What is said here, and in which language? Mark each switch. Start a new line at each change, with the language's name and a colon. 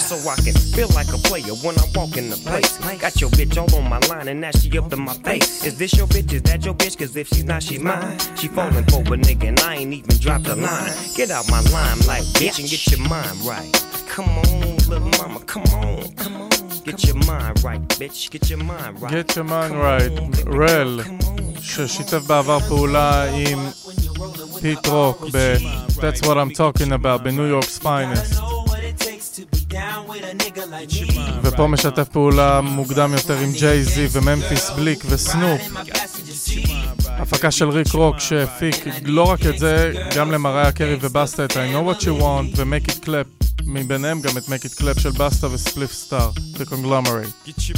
English: So I can feel like a player when I walk in the place. Got your bitch all on my line and now she up to my face. Is this your bitch? Is that your bitch? Cause if she's not, she's mine. She falling for a nigga and I ain't even dropped a line. Get out my limelight, bitch, and get your mind right. Come on. Come on, little mama, come on. Get your mind right, bitch. Get your mind right. Get your mind right.
Hebrew: Rel, ששיתף בעבר פעולה עם פיט רוק ב...
English: That's what I'm talking about,
Hebrew: בניו יורק ספיינס. ופה משתף פעולה מוקדם יותר עם ג'יי זי וממפיס בליק וסנופ. הפקה של ריק רוק שהפיק לא רק את זה, גם למראיה קרי ובאסטה את I Know What You Want ו-Make It Clap. מביניהם גם את Make It Clap של באסטה וספליף סטאר, The Conglomerate.